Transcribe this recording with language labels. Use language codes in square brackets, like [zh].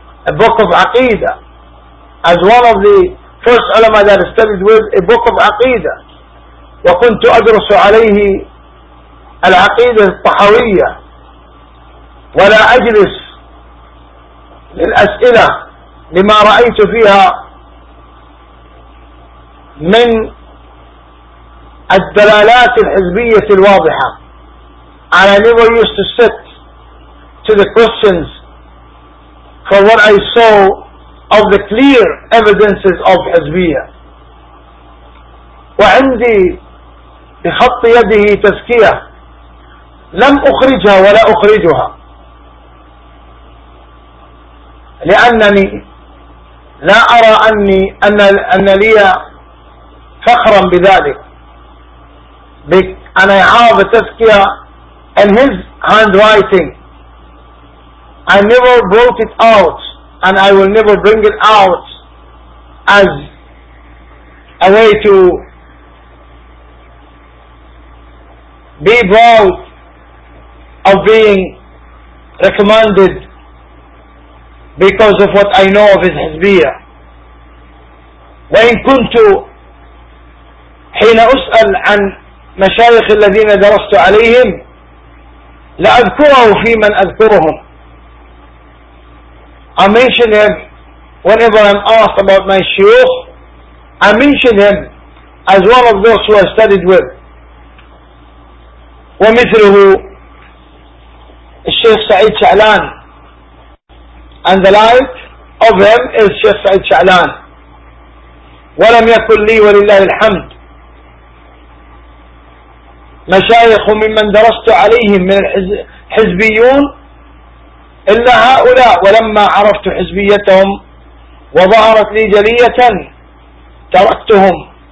[en] a book of عقيدة، as one of the first ulama that studied with a book of عقيدة، [ar] وكنت أدرس عليه العقيدة الطحوية ولا أجلس للأسئلة لما رأيت فيها من الدلالات الحزبية الواضحة. [en] I never used to sit to the questions for what I saw of the clear evidences of حزبية. [ar] وعندي بخط يده تزكية لم أخرجها ولا أخرجها، لأنني لا أرى أني أن لي فخرا بذلك. أنا عارف تزكية [en] in his handwriting. I never brought it out and I will never bring it out as a way to be proud of being recommended because of what I know of his Hizbiyah. [ar] وإن كنت حين أسأل عن مشايخ الذين درست عليهم لأذكره في من أذكرهم. [en] I mention him whenever I'm asked about my shiur. I mention him as one of those who I studied with. [ar] ومثله الشيخ سعيد شعلان. [en] And the like of him is الشيخ سعيد شعلان. [ar] ولم يكن لي ولله الحمد مشايخ ممن درست عليهم من الحزبيون إلا هؤلاء، ولما عرفت حزبيتهم وظهرت لي جلية تركتهم.